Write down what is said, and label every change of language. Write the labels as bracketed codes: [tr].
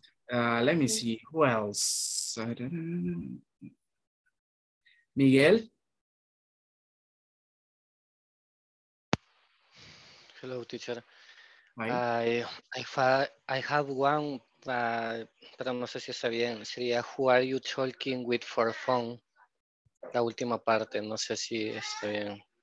[en] Let me see, who else? I don't know. Miguel? Hello, teacher. I have one, [es] pero no sé si está bien. Sería, [en] who are you talking with for phone? [es] La última parte, no sé si está bien.